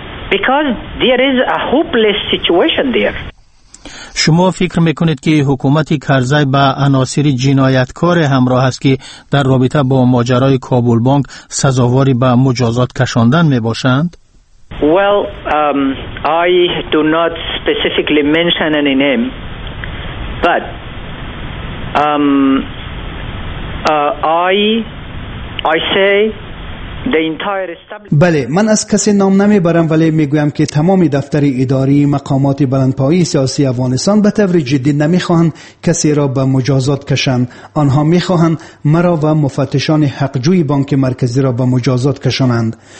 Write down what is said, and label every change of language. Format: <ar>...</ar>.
<en>Because there is a hopeless situation there.</en> <fa>شما فکر میکنید که حکومت کرزی با عناصر جنایتکار همراه است که در رابطه با ماجرای کابل بانک سزاواری به مجازات کشاندن میباشند؟</fa> <en>Well, I do not specifically mention any name, but I say</en> <fa>بله، من از کسی نام نمیبرم، ولی میگویم که تمام دفتر اداری مقامات بلندپایه سیاسی افغانستان به طور جدی نمیخواهند کسی را به مجازات کشند. آنها میخواهند مرا و مفتشان حقجوی بانک مرکزی را به مجازات کشانند.</fa>